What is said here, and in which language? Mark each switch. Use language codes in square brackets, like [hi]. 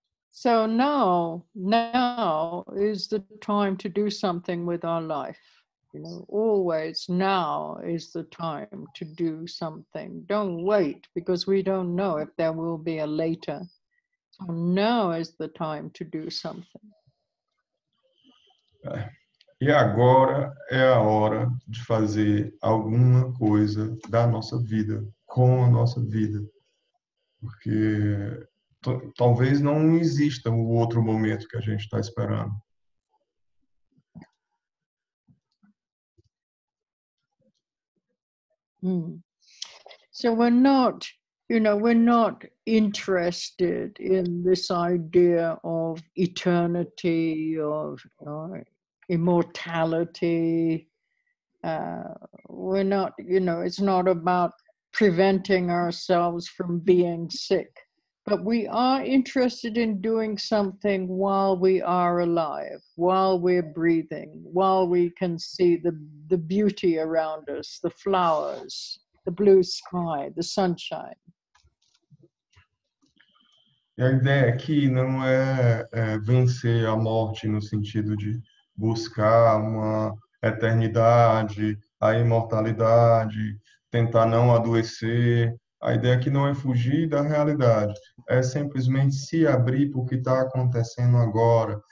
[en] So now is the time to do something with our life. You know, always now is the time to do something. Don't wait, because we don't know if there will be a later. So now is the time to do something. [pt] E agora é a hora de fazer alguma coisa da nossa vida, com a nossa vida. Porque talvez não exista o outro momento que a gente está esperando. [en] So we're not, you know, we're not interested in this idea of eternity, of immortality. We're not, you know, it's not about preventing ourselves from being sick, but we are interested in doing something while we are alive, while we're breathing, while we can see the beauty around us, the flowers, the blue sky, the sunshine. [pt] A ideia aqui não é vencer a morte no sentido de buscar uma eternidade, a imortalidade, tentar não adoecer. A ideia aqui não é fugir da realidade. É simplesmente se abrir para o que está acontecendo agora.